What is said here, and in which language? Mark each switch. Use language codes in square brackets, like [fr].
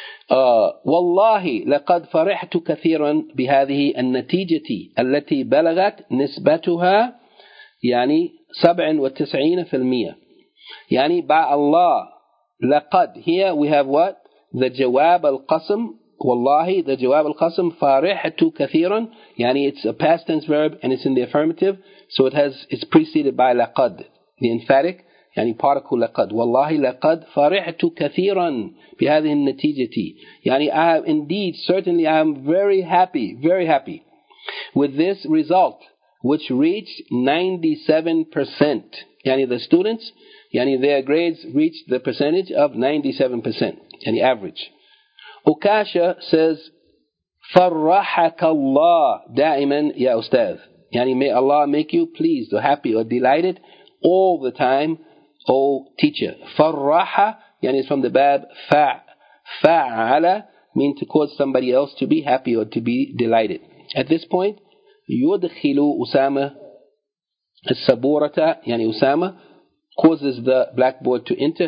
[ar] وَاللَّهِ لَقَدْ فَرِحْتُ كَثِيرًا بِهَذِهِ النَّتِيجَةِ الَّتِي بَلَغَتْ نِسْبَتُهَا يعني 97%. [en] يعني by Allah لَقَدْ. Here we have what? [ar] The جواب القسم. وَاللَّهِ the جواب القسم فَرِحْتُ كَثِيرًا. [en] يعني it's a past tense verb and it's in the affirmative. So it's preceded by لَقَدْ, the emphatic. [ar] يعني particle لقد. والله لقد فرحت كثيرا بهذه النتيجة. [en] يعني I have indeed, certainly I am very happy with this result which reached 97%. يعني the students, يعني their grades reached the percentage of 97%. يعني average. Ukasha says, [ar] فرحك الله دائما يا أستاذ. [en] يعني may Allah make you pleased or happy or delighted all the time, O teacher. فَرَّحَ يعني is from the verb فَعَلَ, mean to cause somebody else to be happy or to be delighted. At this point, [ar] يُدْخِلُ أُسَامَ السَّبُورَةَ, [en] يعني Usama causes the blackboard to enter.